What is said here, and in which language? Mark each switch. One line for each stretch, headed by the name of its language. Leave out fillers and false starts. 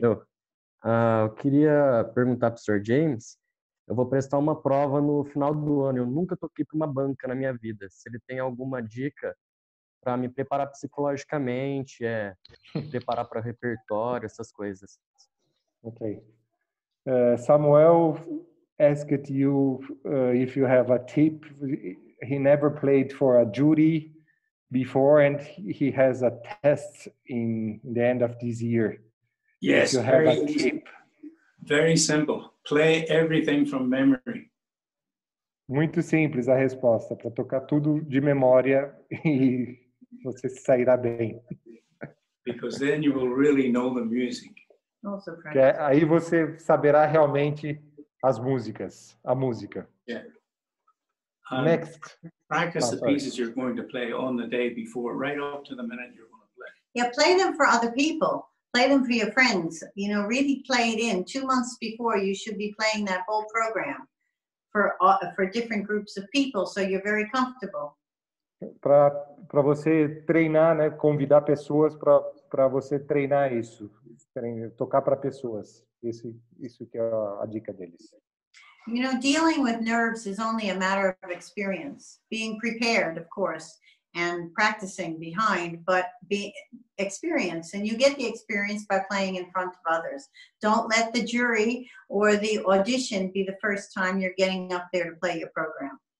Portuguese: Eu queria perguntar para o Sr. James. Eu vou prestar uma prova no final do ano. Eu nunca toquei para uma banca na minha vida. Se ele tem alguma dica para me preparar psicologicamente, preparar para repertório, essas coisas.
English: Ok. Samuel asked you if you have a tip. He never played for a jury before, and he has a test in the end of this year. Yes, you have very a tip. Very simple. Play everything from memory.
Portuguese: Muito simples a resposta. Para tocar tudo de memória e você sairá bem.
English: Because then you will really know the music.
Portuguese: Que aí você saberá realmente as músicas, a música.
English: Yeah. Next. Practice the pieces you're going to play on the day before, right up to the minute you're going to play. Yeah, play them for other people. Play them for your friends. You know, really play it in. 2 months before, you should be playing that whole program for different groups of people, so you're very comfortable.
Portuguese: Para você treinar, né? Convidar pessoas para você treinar isso, tocar para pessoas. Isso que é a dica deles.
English: You know, dealing with nerves is only a matter of experience. Being prepared, of course, and practicing behind, but be experience. And you get the experience by playing in front of others. Don't let the jury or the audition be the first time you're getting up there to play your program.